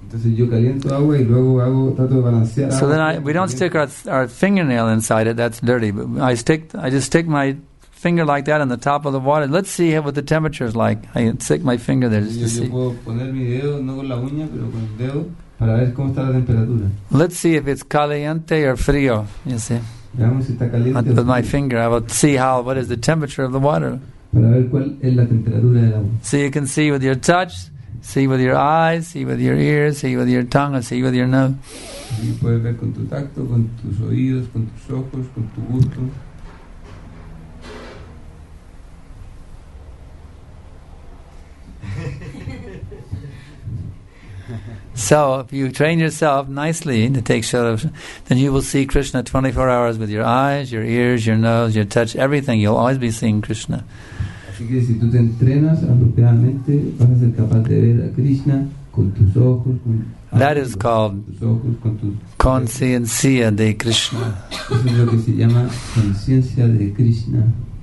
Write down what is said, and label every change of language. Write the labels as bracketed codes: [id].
[en] So then we don't stick our fingernail inside it, that's dirty, but I just stick my finger like that on the top of the water. Let's see what the temperature is like. I stick my finger there just to see. Let's see if it's caliente or frío, you see. With my finger, I will see what is the temperature of the water. [es] Para ver cuál es la temperatura del agua. [en] So you can see with your touch, see with your eyes, see with your ears, see with your tongue, and see with your nose. [es] Y puedes ver con tu tacto, con tus oídos, con tus ojos, con tu gusto. [en] So, if you train yourself nicely to take shot of, then you will see Krishna 24 hours with your eyes, your ears, your nose, your touch, everything. You'll always be seeing Krishna. [es] Así que si tú te entrenas apropiadamente, vas a ser capaz de ver a Krishna con tus ojos, con [en] That is called [es] conciencia de Krishna. Eso es lo que se llama conciencia de Krishna.